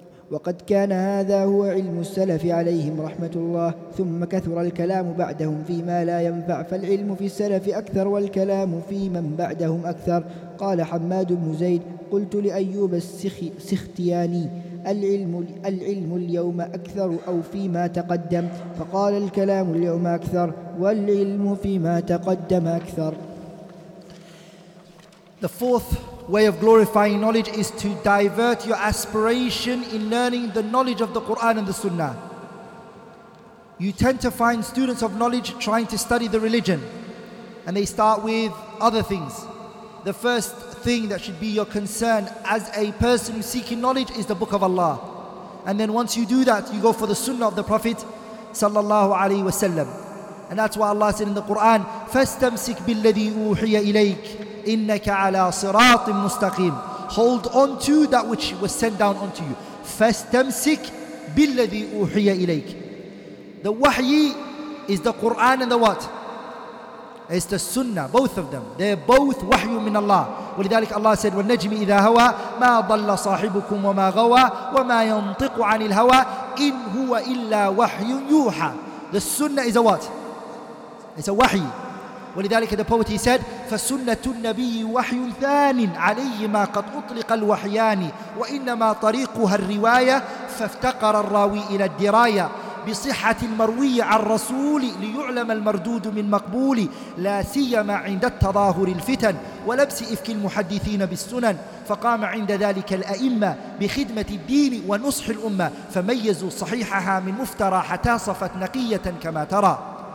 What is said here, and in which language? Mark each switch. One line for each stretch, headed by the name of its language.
Arabic: وقد كان هذا هو علم السلف عليهم رحمة الله، ثم كثر الكلام بعدهم فيما لا ينفع، فالعلم في السلف أكثر والكلام في من بعدهم أكثر. قال حماد بن زيد: قلت لأيوب السختياني: العلم اليوم أكثر أو فيما تقدم؟ فقال: الكلام اليوم أكثر والعلم فيما تقدم أكثر.
English: The fourth way of glorifying knowledge is to divert your aspiration in learning the knowledge of the Quran and the Sunnah. You tend to find students of knowledge trying to study the religion, and they start with other things. The first thing that should be your concern as a person seeking knowledge is the Book of Allah. And then once you do that, you go for the Sunnah of the Prophet sallallahu alaihi wasallam. And that's why Allah said in the Quran,
Arabic: فَاسْتَمْسِكْ بِالَّذِي أُوحِيَ إِلَيْكَ إنك على صراط مستقيم.
English: Hold on to that which was sent down onto you.
Arabic: فاستمسك بالذي أوحي إليك.
English: The wahy is the Quran and the what? It's the Sunnah, both of them. They're both wahy
Arabic: من الله. ولذلك
English: Allah said,
Arabic: والنجم إذا هوى ما ضل صاحبكم وما غوى وما ينطق عن الهوى إن هو إلا وحي يوحى.
English: The Sunnah is a what? It's a wahy.
Arabic: ولذلك
English: the poet he said,
Arabic: فسنة النبي وحي ثان علي ما قد أطلق الوحيان وإنما طريقها الرواية فافتقر الراوي إلى الدراية بصحة المروية عن رسول ليعلم المردود من مقبول لا سيما عند التظاهر الفتن ولبس إفك المحدثين بالسنن فقام عند ذلك الأئمة بخدمة الدين ونصح الأمة فميزوا صحيحها من مفترى حتى صفت نقية كما ترى.